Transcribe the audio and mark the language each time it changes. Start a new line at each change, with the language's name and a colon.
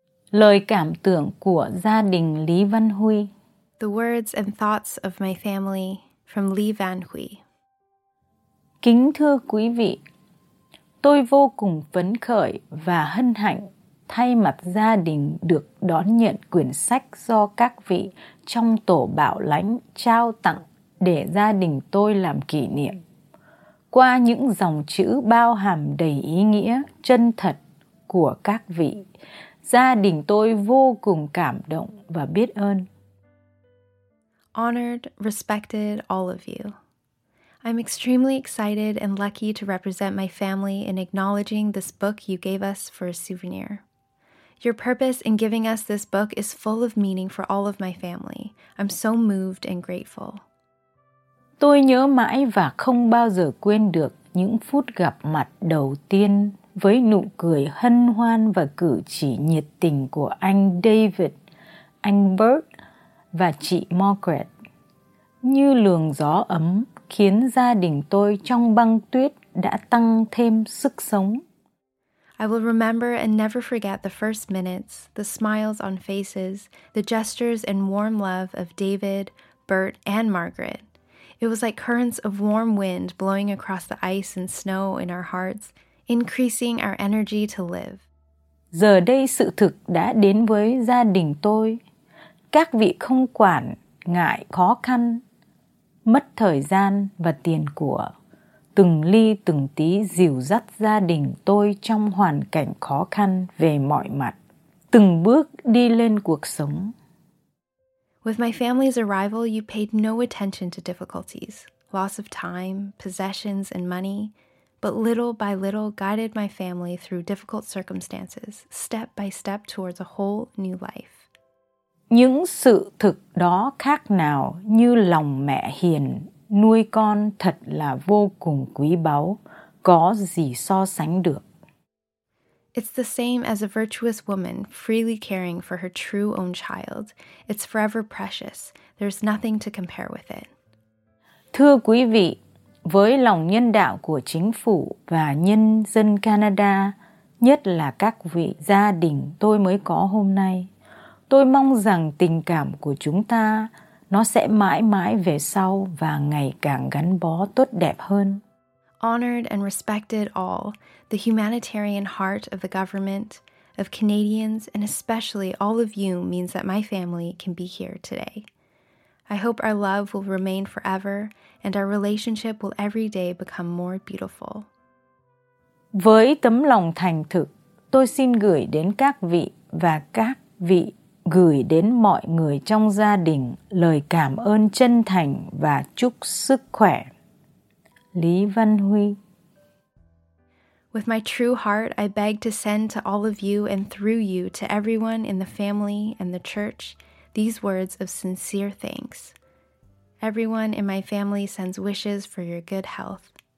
Vietnamese: Lời cảm tưởng của gia đình Lý Văn Huy.
English: The words and thoughts of my family from Lý Văn Huy.
Vietnamese: Kính thưa quý vị, tôi vô cùng phấn khởi và hân hạnh thay mặt gia đình được đón nhận quyển sách do các vị trong tổ bảo lãnh trao tặng để gia đình tôi làm kỷ niệm. Qua những dòng chữ bao hàm đầy ý nghĩa chân thật của các vị, gia đình tôi vô cùng cảm động và biết ơn.
English: Honored, respected all of you. I'm extremely excited and lucky to represent my family in acknowledging this book you gave us for a souvenir. Your purpose in giving us this book is full of meaning for all of my family. I'm so moved and grateful.
Vietnamese: Tôi nhớ mãi và không bao giờ quên được những phút gặp mặt đầu tiên với nụ cười hân hoan và cử chỉ nhiệt tình của anh David, anh Bert và chị Margaret. Như luồng gió ấm khiến gia đình tôi trong băng tuyết đã tăng thêm sức sống.
English: I will remember and never forget the first minutes, the smiles on faces, the gestures and warm love of David, Bert, and Margaret. It was like currents of warm wind blowing across the ice and snow in our hearts, increasing our energy to live.
Vietnamese: Giờ đây sự thực đã đến với gia đình tôi. Các vị không quản ngại khó khăn, mất thời gian và tiền của, từng ly từng tí dìu dắt gia đình tôi trong hoàn cảnh khó khăn về mọi mặt, từng bước đi lên cuộc sống.
English: With my family's arrival, you paid no attention to difficulties, loss of time, possessions, and money, but little by little guided my family through difficult circumstances, step by step towards a whole new life.
Vietnamese: Những sự thực đó khác nào như lòng mẹ hiền nuôi con thật là vô cùng quý báu, có gì so sánh được.
English: It's the same as a virtuous woman freely caring for her true own child. It's forever precious. There's nothing to compare with it.
Vietnamese: Thưa quý vị, với lòng nhân đạo của chính phủ và nhân dân Canada, nhất là các vị gia đình tôi mới có hôm nay, tôi mong rằng tình cảm của chúng ta, nó sẽ mãi mãi về sau và ngày càng gắn bó tốt đẹp hơn.
English: Honored and respected all, the humanitarian heart of the government, of Canadians, and especially all of you means that my family can be here today. I hope our love will remain forever and our relationship will every day become more beautiful.
Vietnamese: Với tấm lòng thành thực, tôi xin gửi đến các vị và các vị gửi đến mọi người trong gia đình lời cảm ơn chân thành và chúc sức khỏe. Lý Văn Huy.
English: With my true heart, I beg to send to all of you and through you to everyone in the family and the church these words of sincere thanks. Everyone in my family sends wishes for your good health.